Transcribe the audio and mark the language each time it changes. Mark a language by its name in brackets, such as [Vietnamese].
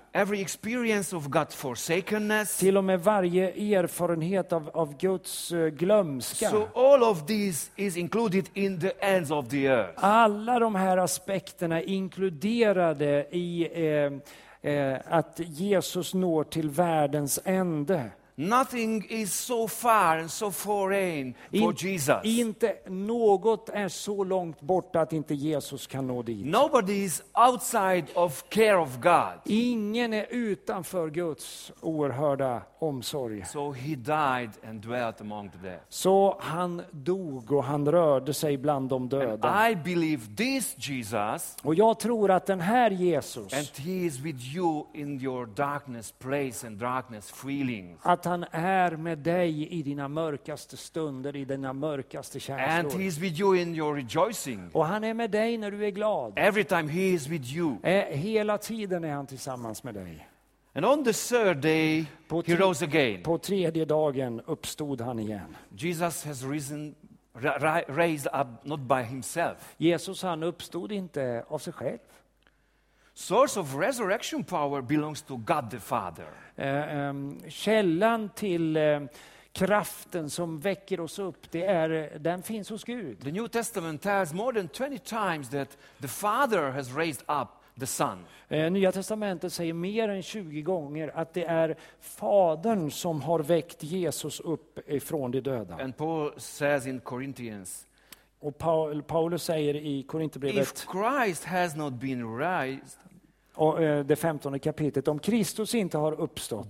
[English] Every experience of God's forsakenness. [Swedish] Till och med varje erfarenhet av Guds glömska. [English] So all of these is included in the ends of the earth. [Swedish] Alla de här aspekterna inkluderade i att Jesus når till världens ände. [English] Nothing is so far and so foreign for Jesus. [Swedish] Inte något är så långt borta att inte Jesus kan nå dit. [English] Nobody is outside of care of God. [Swedish] Ingen är utanför Guds oerhörda omsorg. [English] So he died and dwelt among the dead. [Swedish] Så han dog och han rörde sig bland de döda. [English] I believe this Jesus. [Swedish] Och jag tror att den här Jesus. [English] And he is with you in your darkness place and darkness feelings. [Swedish] Att han är med dig i dina mörkaste stunder, i dina mörkaste känslor. [English] And he is with you in your rejoicing. [Swedish] Och han är med dig när du är glad. [English] Every time he is with you. [Swedish] Hela tiden är han tillsammans med dig. [English] And on the third day he rose again. [Swedish] På tredje dagen uppstod han igen. [English] Jesus has risen, raised up not by himself. [Swedish] Jesus han uppstod inte av sig själv. [English] Source of resurrection power belongs to God the Father. [Swedish] Källan till kraften som väcker oss upp, det är den finns hos Gud. [English] The New Testament tells more than 20 times that the Father has raised up the Son. [Swedish] Nya testamentet säger mer än 20 gånger att det är Fadern som har väckt Jesus upp ifrån de döda. [English] And Paul says in Corinthians. [Swedish] Och Paulus säger i Korinthierbrevet. [English] If Christ has not been raised. [Swedish] Och det 15:e kapitlet, om Kristus inte har uppstått,